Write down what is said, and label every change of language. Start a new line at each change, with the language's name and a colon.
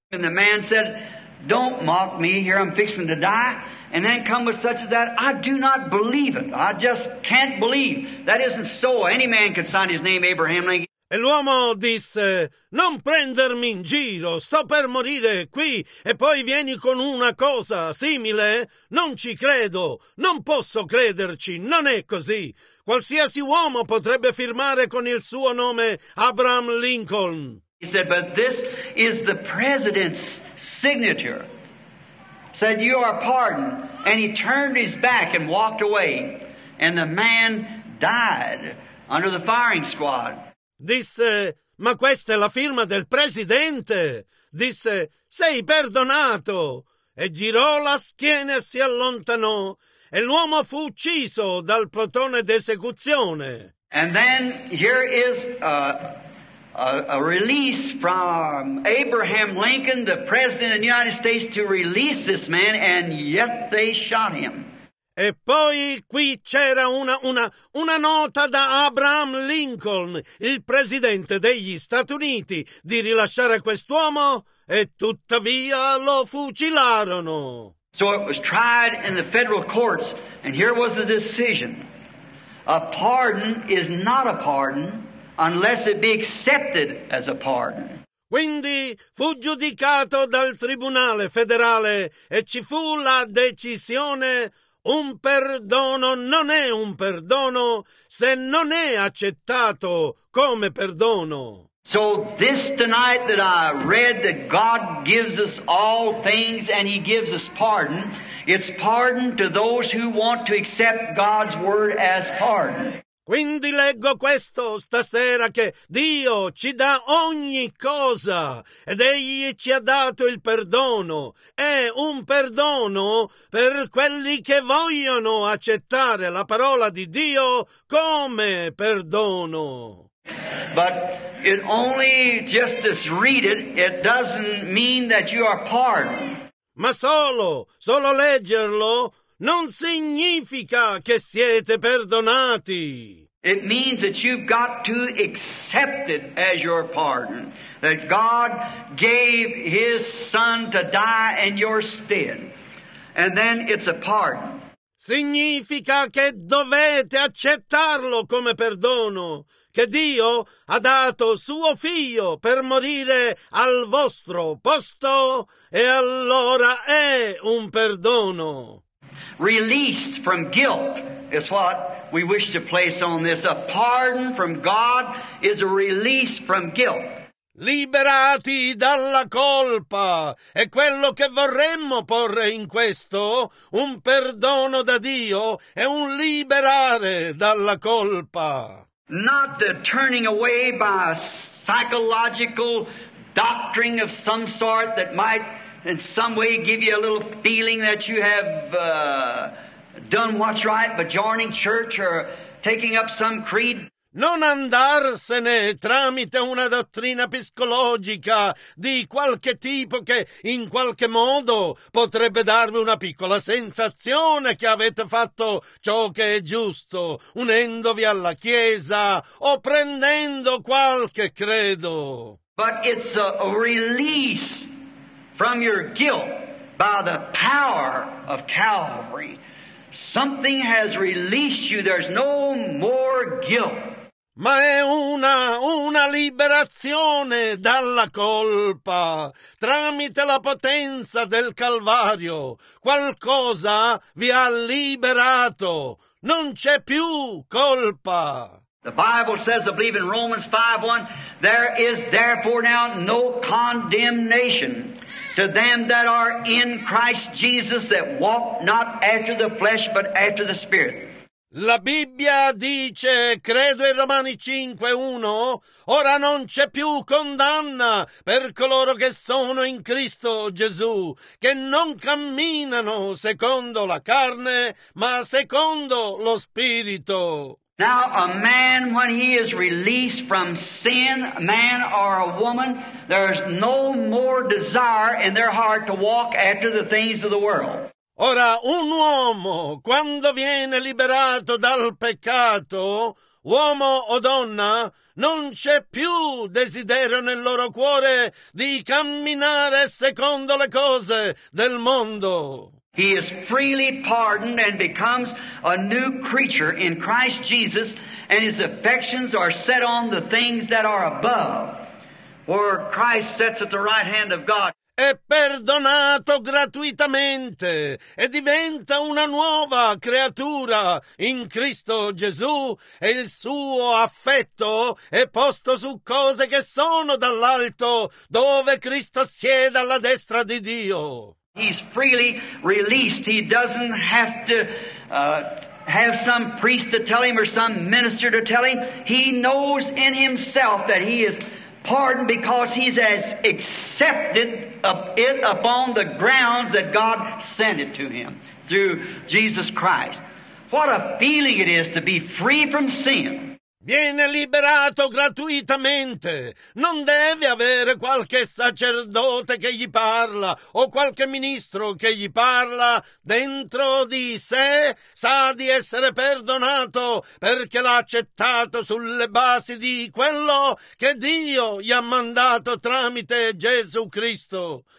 English: And the man said, don't mock me, here I'm fixing to die. And then come with such as that, I do not believe it. I just can't believe. That isn't so. Any man could sign his name Abraham Lincoln.
Italian: E l'uomo disse, non prendermi in giro, sto per morire qui e poi vieni con una cosa simile? Non ci credo, non posso crederci, non è così. Qualsiasi uomo potrebbe firmare con il suo nome Abraham Lincoln.
English: He said, but this is the president's signature. Said, you are pardoned. And he turned his back and walked away. And the man died under the firing squad.
Italian: Disse, ma questa è la firma del presidente. Disse, sei perdonato. E girò la schiena e si allontanò. E l'uomo fu ucciso dal plotone d'esecuzione.
English: And then here is a release from Abraham Lincoln, the president of the United States, to release this man, and yet they shot him.
Italian: E poi qui c'era una nota da Abraham Lincoln, il presidente degli Stati Uniti, di rilasciare quest'uomo e tuttavia lo fucilarono.
English: So it was tried in the federal courts and here was the decision. A pardon is not a pardon unless it be accepted as a pardon.
Italian: Quindi fu giudicato dal tribunale federale e ci fu la decisione. Un perdono non è un perdono se non è accettato come perdono.
English: So this tonight that I read that God gives us all things and he gives us pardon, it's pardon to those who want to accept God's word as pardon.
Italian: Quindi leggo questo stasera che Dio ci dà ogni cosa ed egli ci ha dato il perdono. È un perdono per quelli che vogliono accettare la parola di Dio come perdono.
English: But it only just as read it, it doesn't mean that you are pardoned.
Italian: Ma solo leggerlo non significa che siete perdonati.
English: It means that you've got to accept it as your pardon. That God gave his son to die in your stead. And then it's a pardon.
Italian: Significa che dovete accettarlo come perdono. Che Dio ha dato suo figlio per morire al vostro posto. E allora è un perdono.
English: Released from guilt is what we wish to place on this. A pardon from God is a release from guilt.
Italian: Liberati dalla colpa è quello che vorremmo porre in questo. Un perdono da Dio è un liberare dalla colpa.
English: Not the turning away by a psychological doctrine of some sort that might in some way give you a little feeling that you have done what's right by joining church or taking up some creed.
Italian: Non andarsene tramite una dottrina psicologica di qualche tipo che in qualche modo potrebbe darvi una piccola sensazione che avete fatto ciò che è giusto, unendovi alla Chiesa o prendendo qualche credo.
English: But it's a release from your guilt by the power of Calvary. Something has released you. There's no more guilt.
Italian: Ma è una liberazione dalla colpa tramite la potenza del Calvario. Qualcosa vi ha liberato. Non c'è più colpa.
English: The Bible says, I believe in Romans 5:1, there is therefore now no condemnation to them that are in Christ Jesus, that walk not after the flesh but after the Spirit.
Italian: La Bibbia dice, credo in Romani 5:1, ora non c'è più condanna per coloro che sono in Cristo Gesù, che non camminano secondo la carne, ma secondo lo Spirito.
English: Now a man, when he is released from sin, a man or a woman, there's no more desire in their heart to walk after the things of the world.
Italian: Ora, un uomo, quando viene liberato dal peccato, uomo o donna, non c'è più desiderio nel loro cuore di camminare secondo le cose del mondo.
English: He is freely pardoned and becomes a new creature in Christ Jesus, and his affections are set on the things that are above, where Christ sits at the right hand of God.
Italian: È perdonato gratuitamente e diventa una nuova creatura in Cristo Gesù e il suo affetto è posto su cose che sono dall'alto, dove Cristo siede alla destra di Dio.
English: He's freely released. He doesn't have to have some priest to tell him or some minister to tell him. He knows in himself that he is pardon because he has accepted it upon the grounds that God sent it to him through Jesus Christ. What a feeling it is to be free from sin.
Italian: Viene liberato gratuitamente. Non deve avere qualche sacerdote che gli parla o qualche ministro che gli parla. Dentro di sé sa di essere perdonato perché l'ha accettato sulle basi di quello che Dio gli ha mandato tramite Gesù Cristo.